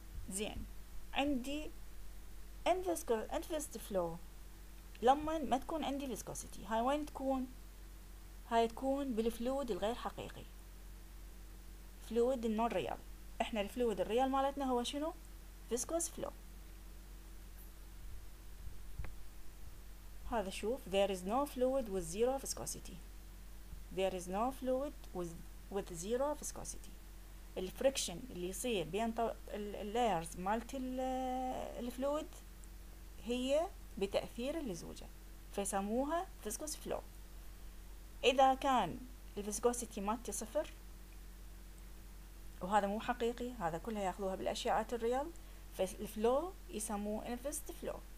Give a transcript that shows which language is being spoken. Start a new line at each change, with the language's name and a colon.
Arabic: زين، عندي انفست فلو لما ما تكون عندي فيسكوسيتي، هاي وين تكون؟ هاي تكون بالفلويد الغير حقيقي، فلويد النون ريال. احنا الفلويد الريال مالتنا هو شنو؟ فيسكوس فلو. هذا شوف،
English: there is no fluid with zero viscosity. There is no fluid with zero viscosity.
Arabic: الفريكشن اللي يصير بين اللايرز مالت الفلويد هي بتأثير اللزوجة، فيسموها فيسكوس فلو. إذا كان الفيسكوسيتي مالتي صفر وهذا مو حقيقي، هذا كلها ياخذوها بالأشعة الريال، فالفلو يسموه انفست فلو.